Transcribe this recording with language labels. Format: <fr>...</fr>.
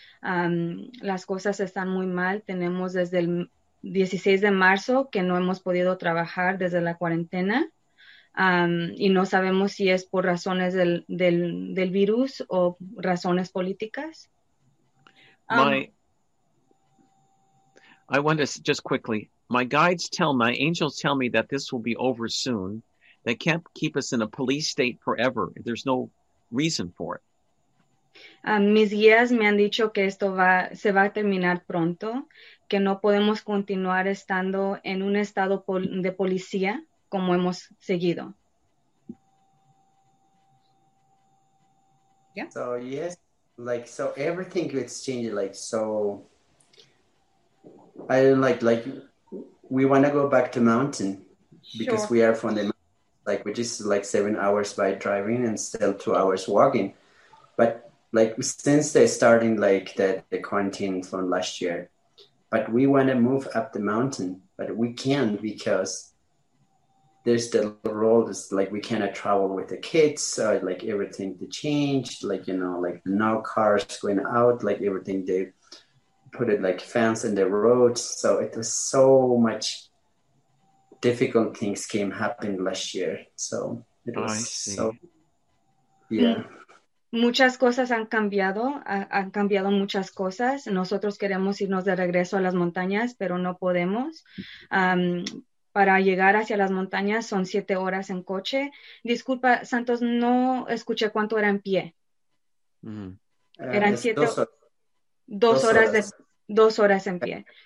<es>Las cosas están muy mal. Tenemos desde el 16 de marzo que no hemos podido trabajar desde la cuarentena. Y no sabemos si es por razones del virus o razones políticas.</es> <en>I want to just quickly, my angels tell me that this will be over soon. They can't keep us in a police state forever. There's no reason for it.</en> <es>Mis guías me han dicho que esto se va a terminar pronto, que no podemos continuar estando en un estado de policía como hemos seguido.</es> <en>Yeah. So, yes, like, so everything gets changed, like, so... I don't like we want to go back to mountain because sure. We are from the mountain, like, which is like 7 hours by driving and still 2 hours walking. But like since they starting like the quarantine from last year, but we want to move up the mountain, but we can't because there's the role is like we cannot travel with the kids. So like everything to change, like, you know, like no cars going out, like everything they put it like fence in the road. So it was so much difficult things came happened last year. So it was so, yeah.</en> <es>Muchas cosas han cambiado muchas cosas. Nosotros queremos irnos de regreso a las montañas, pero no podemos. Para llegar hacia las montañas son 7 horas en coche. Disculpa, Santos, no escuché cuánto era en pie. Eran 7 2 horas de... 2 horas en pie.</es>